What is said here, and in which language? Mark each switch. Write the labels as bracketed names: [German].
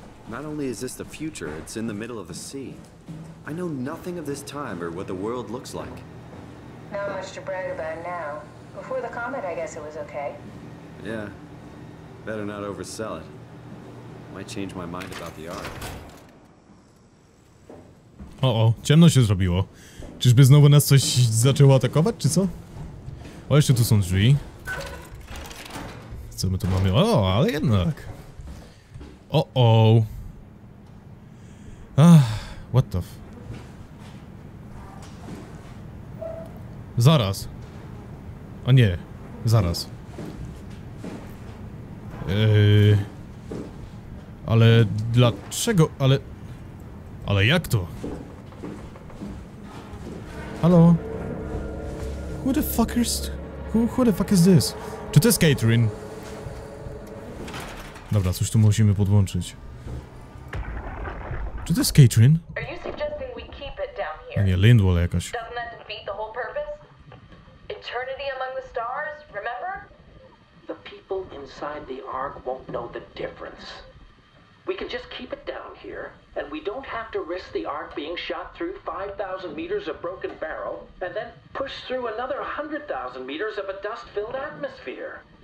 [English] Not only is this the future, it's in the middle of a sea. I know nothing of this time or what the world looks like. Not much to brag about now. Before the comet, I guess it was okay. Yeah. Better not oversell it. Might change my mind about the Ark. [Polish] O-o, ciemno się zrobiło. Czyżby znowu nas coś zaczęło atakować, czy co? O, jeszcze tu są drzwi. Co my tu mamy? O, ale jednak. O-o. [English] Ah, what the f... [Polish] Zaraz. O nie, zaraz. Ale dlaczego? Ale jak to? Halo? [English] Who the fuck is this? [Polish] Czy to jest Catherine? Dobra, coś tu musimy podłączyć. Czy to jest Catherine? [English] Are you suggesting we keep it down here? [Polish] A nie, Lindwall jakoś. [English] Doesn't that defeat the whole purpose? Eternity among the stars, remember? The people inside the Ark won't know the difference. We can just keep it down here, and we don't have to risk the Ark being shot through 5,000 meters of broken barrel, and then push through another 100,000 meters of a dust-filled atmosphere.